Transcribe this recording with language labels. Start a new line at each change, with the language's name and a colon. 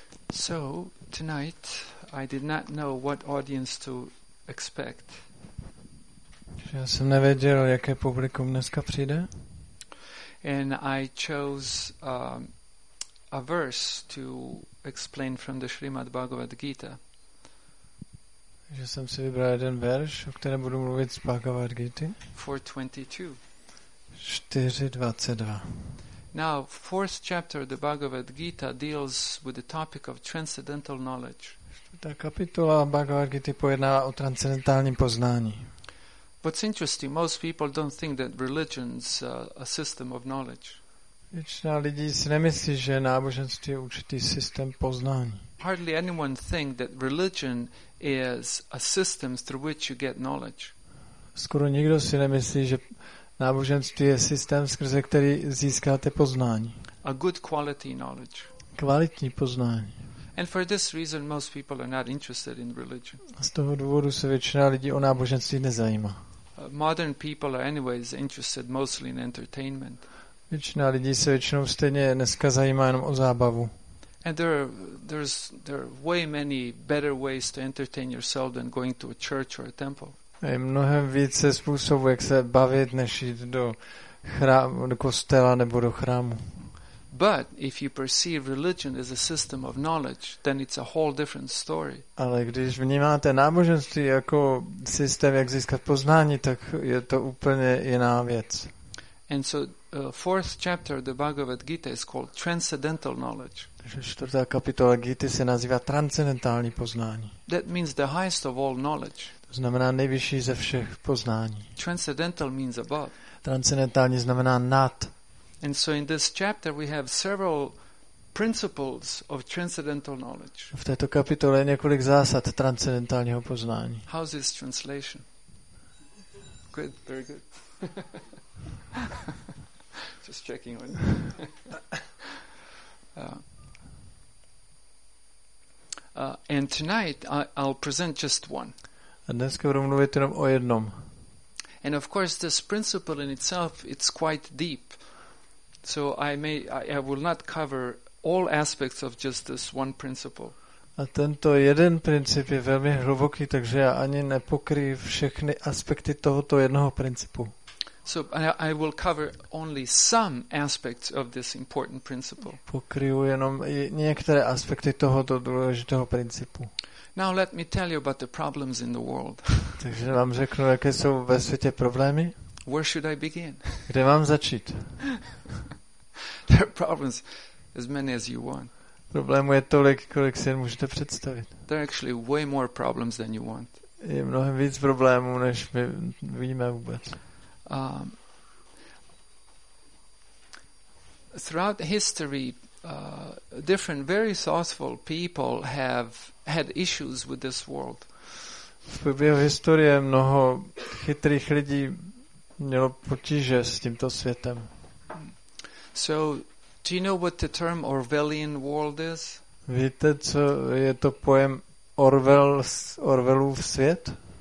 English: So tonight, I did not know what audience to expect.
Czech: Já jsem nevěděl, jaké publikum dneska přijde.
English: And I chose a verse to explain from the Srimad Bhagavad Gita.
Czech: Já jsem si vybral jeden verš, o kterém budu mluvit z Bhagavad Gity.
English: 4:22. Now, fourth chapter of the Bhagavad Gita deals with the topic of transcendental knowledge.
Czech: Ta kapitola Bhagavad Gita pojednává o transcendentálním poznání.
English: What's interesting, most people don't think that religion's a system of knowledge.
Czech: Většina lidí si nemyslí, že náboženství je určitý systém poznání.
English: Hardly anyone think that religion is a system through which you get knowledge.
Czech: Skoro nikdo si nemyslí, že náboženství je systém, skrze který získáte poznání.
English: A good quality knowledge.
Czech: Kvalitní poznání.
English: And for this reason most people are not interested in religion.
Czech: Z toho důvodu se většina lidí o náboženství nezajímá.
English: Modern people are anyways interested mostly in entertainment.
Czech: Většina lidí se většinou stejně dneska zajímá jenom o zábavu.
English: And there are way many better ways to entertain yourself than going to a church or a temple.
Czech: Je mnohem více způsobů, jak se bavit, než jít do chrámu, do kostela nebo do chrámu.
English: But if you perceive religion as a system of knowledge, then it's a whole different story.
Czech: Ale když vnímáte náboženství jako systém, jak získat poznání, tak je to úplně jiná věc.
English: And so fourth chapter of the Bhagavad Gita is called transcendental knowledge.
Czech: Takže čtvrtá kapitola Gity se nazývá transcendentální poznání.
English: That means the highest of all knowledge.
Czech: To znamená nejvyšší ze všech poznání.
English: Transcendental means above.
Czech: Transcendentální znamená nad.
English: And so in this chapter we have several principles of transcendental knowledge.
Czech: V této kapitole je několik zásad transcendentálního poznání.
English: How's this translation? Good, very good. Just checking on you. And tonight I'll present just one.
Czech: A dneska budu mluvit jenom o jednom.
English: And of course this principle in itself it's quite deep. So I will not cover all aspects of just this one principle.
Czech: A tento jeden princip je velmi hluboký, takže já ani nepokryju všechny aspekty tohoto jednoho principu.
English: So I will cover only some aspects of this important principle.
Czech: Pokryju jenom některé aspekty tohoto důležitého principu.
English: Now let me tell you about the problems in the world.
Czech: Takže vám řeknu, jaké jsou ve světě problémy.
English: Where should I begin?
Czech: Kde mám začít?
English: There are problems as many as you want.
Czech: Problémů je tolik, kolik si můžete představit.
English: There are actually way more problems than you want.
Czech: Je mnohem víc problémů, než my víme vůbec.
English: Throughout history, different, very thoughtful people have had issues with this world.
Czech: V průběhu historie mnoho chytrých lidí mělo potíže s tímto světem.
English: So, do you know what the term Orwellian world is?
Czech: Víte, co je to pojem Orwellův svět?